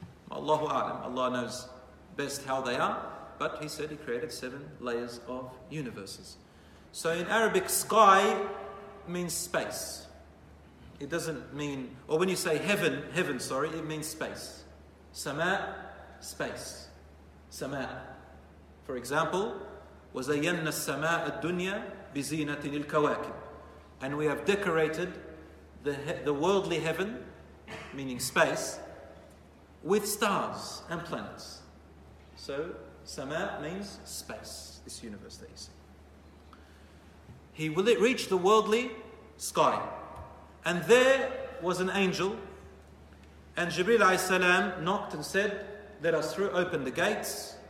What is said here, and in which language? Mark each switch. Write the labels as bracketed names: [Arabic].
[English] Allahu A'lam, Allah knows best how they are. But He said He created seven layers of universes. So in Arabic, sky means space. It doesn't mean, or when you say heaven, it means space. Sama', space. Sama'. For example, [Arabic] وَزَيَّنَّ السَّمَاءَ الدُّنْيَا بِزِينَةٍ الْكَوَاكِبِ. [English] And we have decorated the worldly heaven, meaning space, with stars and planets. So, Sama' means space, this universe that you see. He will it reach the worldly sky. And there was an angel, and Jibril alayhi salam knocked and said, let us through, open the gates.